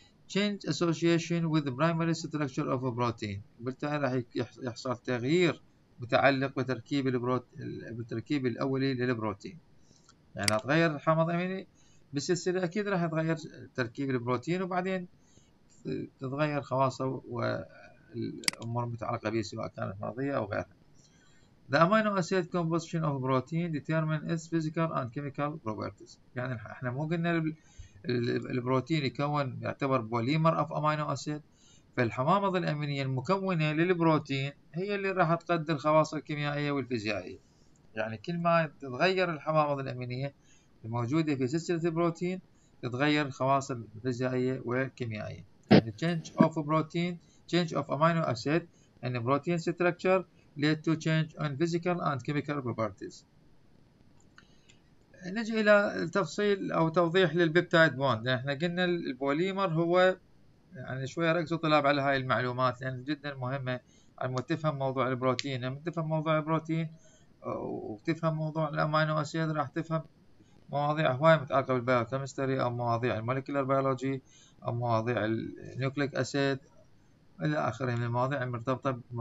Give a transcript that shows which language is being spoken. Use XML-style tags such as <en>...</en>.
<en>change association with the primary structure of a protein،</en> <ar>وبالتالي راح يحصل تغيير متعلق بتركيب بالتركيب الاولي للبروتين. يعني تغير الحمض الاميني بالسلسله اكيد راح يتغير تركيب البروتين، وبعدين تتغير خواصه وتركيبه الامور المتعلقه به سواء كانت مرضيه او غيرها.</ar> <en>The amino acid composition of protein determine its physical and chemical properties.</en> <ar>يعني احنا مو قلنا البروتين يكون يعتبر بوليمر اوف امينو اسيد، فالحمامض الامينيه المكونه للبروتين هي اللي راح تقدر خواصه الكيميائيه والفيزيائيه. يعني كل ما تتغير الحمامض الامينيه الموجوده في سلسله البروتين تتغير الخواص الفيزيائيه والكيميائيه.</ar> <en>And the change of a protein, change of amino acid and the protein structure lead to change on physical and chemical properties.</en> <ar>نجي الى التفصيل او توضيح للبيبتايد بوند. احنا قلنا البوليمر هو يعني شويه ركزوا طلاب على هاي المعلومات لان جدا مهمه لما تفهم موضوع البروتين، لما تفهم موضوع البروتين وتفهم موضوع الامينو اسيد راح تفهم مواضيع هواي متعلقه بالبايوكيمستري او مواضيع الموليكولر بيولوجي او مواضيع النيوكليك اسيد الى اخره من المواضيع المرتبطه.</ar>